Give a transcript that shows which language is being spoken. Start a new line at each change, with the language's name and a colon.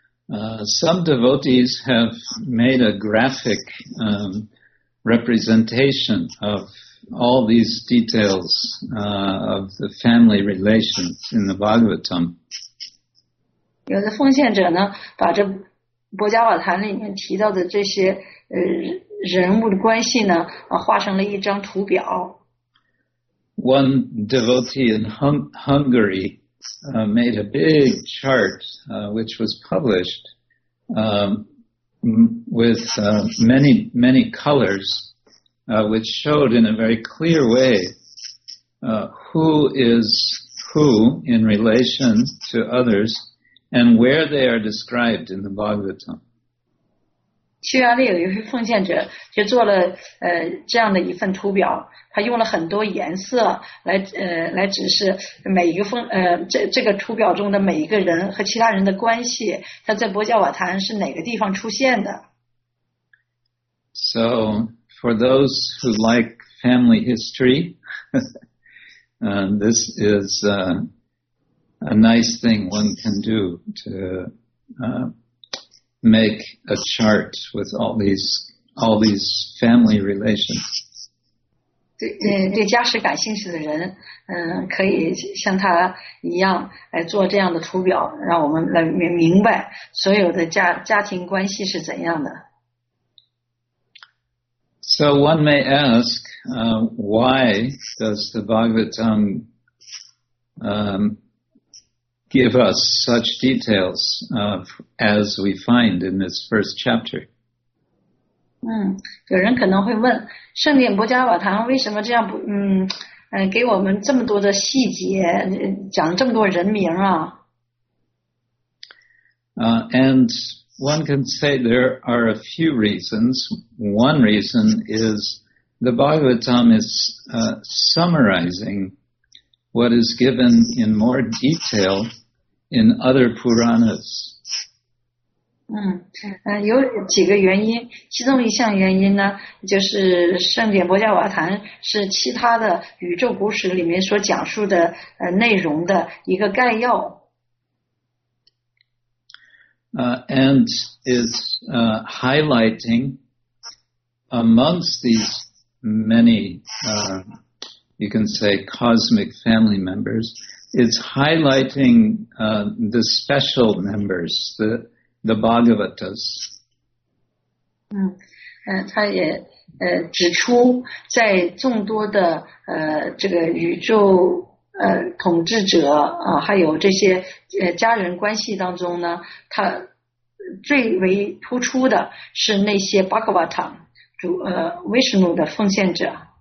English: Some devotees have made a graphic representation of all these details of the family relations in the Bhagavatam.
Chinese: 有的奉献者呢，把这博伽瓦坛里面提到的这些人物的关系呢，画成了一张图表。
English: One devotee in Hungary made a big chart which was published with many, many colors which showed in a very clear way who is who in relation to others and where they are described in the Bhagavatam.
Chinese: 匈牙利有一位奉献者就做了这样的一份图表，他用了很多颜色来指示每一个这个图表中的每一个人和其他人的关系，他在博伽瓦坛是哪个地方出现的。
English: So for those who like family history, this is a nice thing one can do to make a chart with all these family relations.
Chinese: 对家史感兴趣的人，可以像他一样来做这样的图表，让我们来明白所有的家庭关系是怎样的。
English: So one may ask, why does the Bhagavatam give us such details as we find in this first chapter.
Chinese: 有人可能会问，圣典博伽瓦坛为什么这样给我们这么多的细节，讲这么多人名啊？
English: And one can say there are a few reasons. One reason is the Bhagavatam is summarizing what is given in more detail in other Puranas.
Chinese: 有几个原因，其中一项原因呢，就是圣典博伽瓦坛是其他的宇宙古史里面所讲述的内容的一个概要。
English: And it's highlighting amongst these many, you can say, cosmic family members, it's highlighting the special members, the Bhagavatas.
Chinese: 他也指出在众多的这个宇宙统治者还有这些家人关系当中呢，他最为突出的是那些 Bhagavata, Vishnu 的奉献者。